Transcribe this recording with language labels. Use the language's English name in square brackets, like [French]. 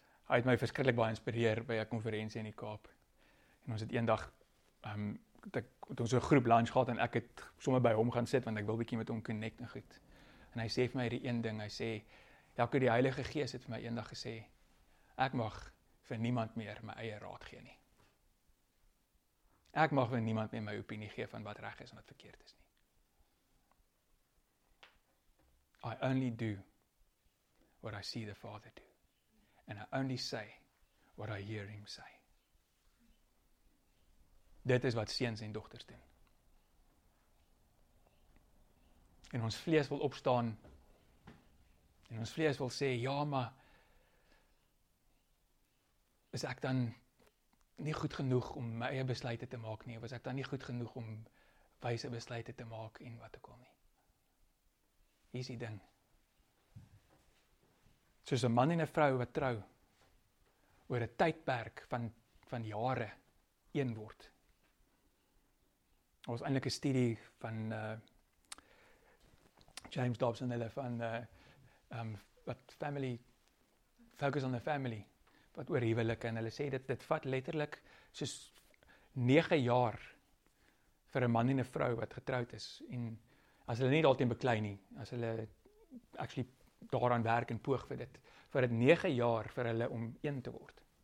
[Afrikaans] Hy het my verskriklik baie inspireer by 'n konferensie in die Kaap. En ons het eendag, het ons een groep lunch gehad, en ek het sommer by hom gaan sit, want ek wil bietjie met hom connect en goed. En hy sê vir my die een ding, hy sê, Jakko, die Heilige Gees het vir my eendag gesê, ek mag vir niemand meer my eie raad gee nie. Ek mag vir niemand meer my opinie gee van wat reg is en wat verkeerd is nie. [English] I only do what I see the Father do. And I only say what I hear him say. [Afrikaans] Dit is wat seuns en dogters doen. En ons vlees wil opstaan, en ons vlees wil sê, ja, maar is ek dan nie goed genoeg om my eie besluite te maak nie? Of is ek dan nie goed genoeg om wyse besluite te maak en wat ook al nie? Hier is die ding. Soos 'n man en 'n vrou wat trou oor 'n tydperk van jare een word. Daar was eintlik 'n studie van James Dobson en hulle van wat family, focus on the family, wat oor huwelike, en hulle sê dit vat letterlik soos 9 jaar vir 'n man en 'n vrou wat getroud is, en as hulle nie daarteen beklei nie, as hulle actually daaraan werk en poog vir dit, vir dit 9 jaar vir hulle om een te word.